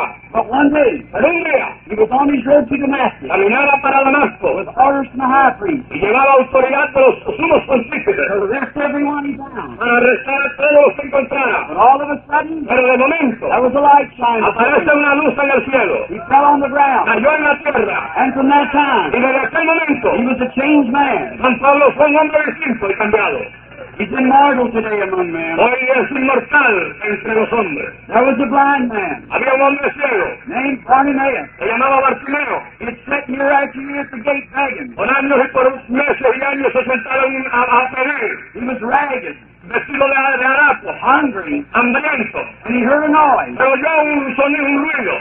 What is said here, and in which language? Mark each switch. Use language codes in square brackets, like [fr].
[en] But one day, he was on his road to Damascus. [es] Caminaba para Damasco [en] with orders from the high priest. [es] Y llevaba autoridad de los sumos pontífices. [en] To arrest everyone he found. [es] Para arrestar a todos los que encontrara. [en] But all of a sudden, [es] pero de momento, [en] there was a light shining. [es] Aparece una luz en el cielo. [en] He fell on the ground. [es] Cayó en la tierra. [en] And from that time, [es] y desde aquel momento, [en] he was a changed man. [es] San Pablo fue un hombre distinto y cambiado. [en] He's immortal today among men. [es] Hoy es inmortal entre los hombres. [en] There was a blind man. [es] Había un hombre ciego. [en] Named Bartimaeus. [es] Se llamaba Bartimeo. [en] He had sat year after year at the gate begging. [es] Por años y por meses y años se sentaron a pedir. [en] He was ragged. [es] Vestido de harapo. [en] Hungry. [es] Hambriento. [en] And he heard a noise. [es] Pero oyó un sonido, un ruido.